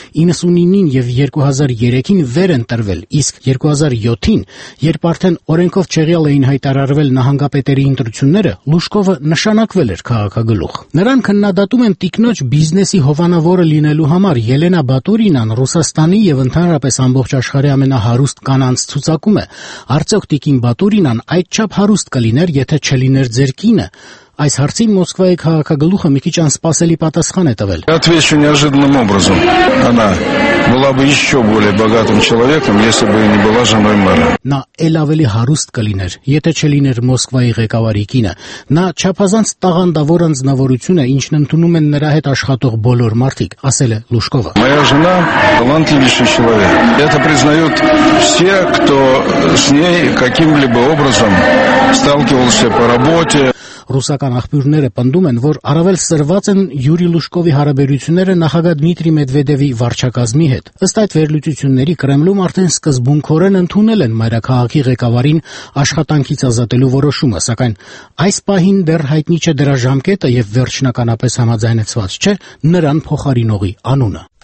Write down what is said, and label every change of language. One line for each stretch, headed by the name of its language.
Armenian: 99-ին և 2003-ին վեր ընտրվել, իսկ 2007-ին, երբ արդեն օրենքով չեղյալ էին հայտարարվել նահանգապետերի ընտրությունները, Լուշկովը նշանակվել էր քաղաքագլուխ։ Նրան քննադատում են տիկնոջ բիզնեսի հովանավորը լինելու համար։ Ելենա Բատուրինան Ռուսաստանի և ընդհանրապես ամբողջ աշխարհի ամենահարուստ կանանց ցուցակում է։ Արդյոք տիկին Բատուրինան այդչափ հարուստ կլիներ, եթե չլիներ ձեր կինը։ Այս հարցին Մոսկվայի քաղաքագլուխը մի քիչ անսպասելի պատասխան է տվել։
Russian: Была бы ещё более богатым человеком, если бы не была женой мэра.
Armenian: На элавели харуст կլիներ, եթե չլիներ Մոսկվայի ղեկավարի կինը։ Նա չափազանց տաղանդավոր անձնավորություն է, ինչն ընդունում են նրա հետ աշխատող բոլոր մարդիկ, ասել է Լուշկովը։
Russian: Моя жена талантливый человек. Это признают все, кто с ней каким-либо образом сталкивался по работе.
Armenian: ռուսական աղբյուրները պնդում են, որ առավել սրված են Յուրի Լուշկովի հարաբերությունները նախագահ Դմիտրի Մեդվեդևի վարչակազմի հետ։ Ըստ այդ վերլուծությունների, Կրեմլում արդեն սկզբունքորեն ընդունել են մայրաքաղաքի ղեկավարին աշխատանքից ազատելու որոշումը, սակայն այս պահին դեռ հայտնի չէ դրա ժամկետը և վերջնականապես համաձայնեցված չէ նրան փոխարինողի անունը։